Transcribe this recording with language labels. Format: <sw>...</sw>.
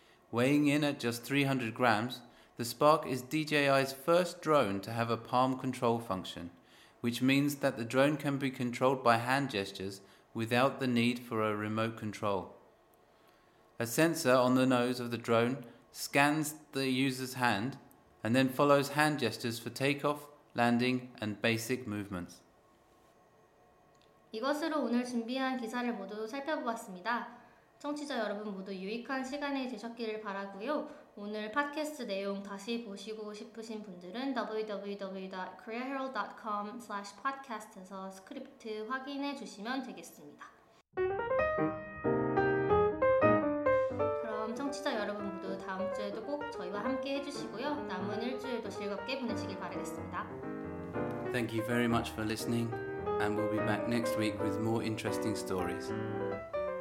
<en>Weighing in at just 300 grams, the Spark is DJI's first drone to have a palm control function, which means that the drone can be controlled by hand gestures without the need for a remote control. A sensor on the nose of the drone scans the user's hand and then follows hand gestures for takeoff, landing, and basic movements.</en> <ko>이것으로 오늘 준비한 기사를 모두 살펴보았습니다. 청취자 여러분 모두 유익한 시간이 되셨기를 바라고요. 오늘 팟캐스트 내용 다시 보시고 싶으신 분들은 www.koreaherald.com/podcast에서 스크립트 확인해 주시면 되겠습니다. 그럼 청취자 여러분 모두 다음 주에도 꼭 저희와 함께 해주세요. 함께 해주시고요. 남은 일주일도 즐겁게 보내시길 바라겠습니다.</ko> <en>Thank you very much for listening, and we'll be back next week with more interesting stories.</en>